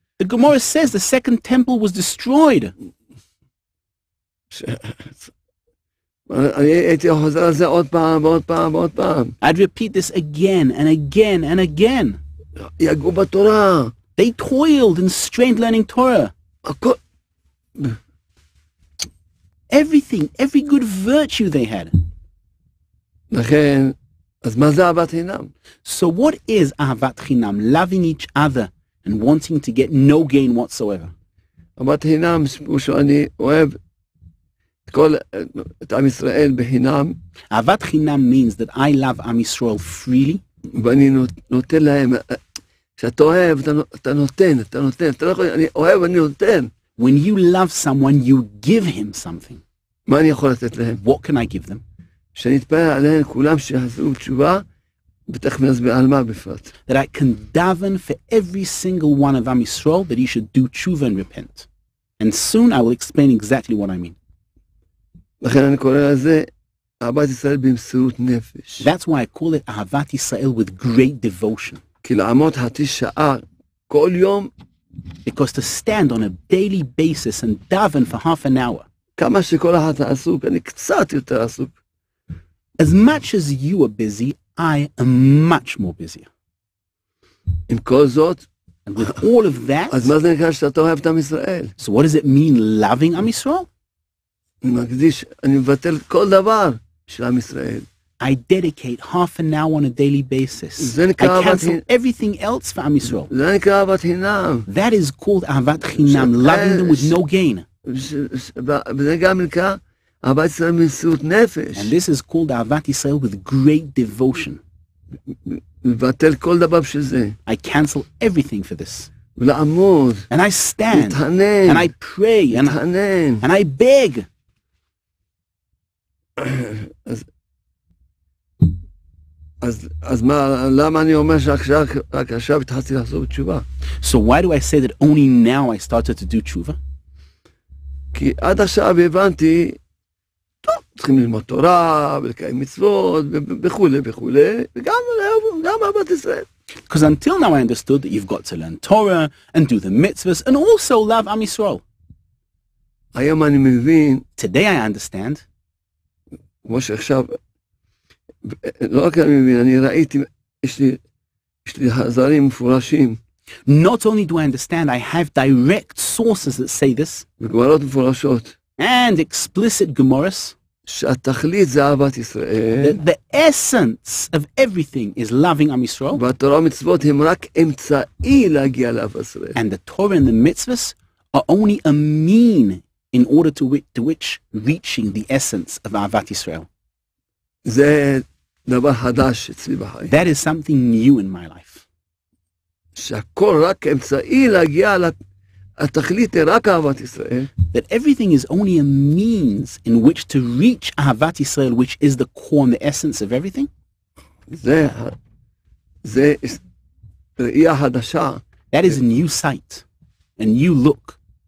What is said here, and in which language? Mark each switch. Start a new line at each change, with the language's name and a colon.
English: The Gemara says the second temple was destroyed.
Hebrew: אני הייתי חוזר על זה עוד פעם ועוד פעם ועוד פעם.
English: I'd repeat this again and again and again.
Hebrew: יגעו בתורה.
English: They toiled and strained learning Torah. Everything, every good virtue they had.
Hebrew: לכן אז מה זה אהבת חינם?
English: So what is אהבת חינם? Loving each other and wanting to get no gain whatsoever.
Hebrew: אהבת חינם הוא שאני אוהב את כל את עם ישראל בחינם.
English: אהבת חינם means that I love עם ישראל freely.
Hebrew: ואני נותן להם. כשאתה אוהב, אתה נותן, אתה נותן. אתה לא יכול, אני אוהב, אני נותן.
English: When you love someone, you give him something.
Hebrew: מה אני יכול לתת להם?
English: What can I give them?
Hebrew: שנתפלל עליהם כולם שיחזרו תשובה, ותכף נסביר על מה בפרט.
English: That I can daven for every single one of Am Yisrael that he should do tshuva and repent. And soon I will explain exactly what I mean.
Hebrew: לכן אני קורא לזה אהבת ישראל במסירות נפש.
English: That's why I call it אהבת ישראל with great devotion.
Hebrew: כי לעמוד חצי שעה כל יום.
English: Because to stand on a daily basis and daven for half an hour.
Hebrew: כמה שכל אחד עסוק, אני קצת יותר עסוק.
English: As much as you are busy, I am much more busier.
Hebrew: עם כל זאת,
English: and with all of that,
Hebrew: אז מה זה נקרא שאתה אוהב את עם ישראל?
English: So what does it mean loving עם ישראל?
Hebrew: מקדיש, אני מבטל כל דבר של עם ישראל.
English: I dedicate half an hour on a daily basis.
Hebrew: זה נקרא
English: אהבת חינם. I cancel everything else for עם ישראל.
Hebrew: זה נקרא אהבת חינם.
English: That is called אהבת חינם, loving them with no gain.
Hebrew: וזה גם נקרא אהבת ישראל במסירות נפש.
English: And this is called אהבת ישראל with great devotion.
Hebrew: מבטל כל דבר בשביל זה.
English: I cancel everything for this.
Hebrew: ולעמוד.
English: And I stand.
Hebrew: מתענן.
English: And I pray.
Hebrew: מתענן.
English: And I beg.
Hebrew: אז מה, למה אני אומר שעכשיו התחלתי לעשות תשובה?
English: So why do I say that only now I started to do תשובה?
Hebrew: כי עד עכשיו הבנתי צריכים ללמוד תורה, ולקיים מצוות, וכו', וכו', וגם לאהוב, גם אהבת ישראל.
English: Because until now I understood that you've got to learn Torah, and do the mitzvahs, and also love Am Yisrael.
Hebrew: היום אני מבין.
English: Today I understand.
Hebrew: כמו שעכשיו, לא רק אני מבין, אני ראיתי, יש לי חזרים מפורשים.
English: Not only do I understand, I have direct sources that say this.
Hebrew: וגמרות מפורשות.
English: And explicit gemaras.
Hebrew: שהתכלית זה אהבת ישראל.
English: The essence of everything is loving Am Yisrael.
Hebrew: והתורה ומצוות הם רק אמצעי להגיע לאהבת ישראל.
English: And the Torah and the mitzvahs are only a mean in order to which reaching the essence of אהבת ישראל.
Hebrew: זה דבר חדש אצלי בחיים.
English: That is something new in my life.
Hebrew: שהכל רק אמצעי להגיע התכלית היא רק אהבת ישראל.
English: That everything is only a means in which to reach אהבת ישראל, which is the core and the essence of everything.
Hebrew: זה ראי החדשה.
English: That is a new sight, a new look.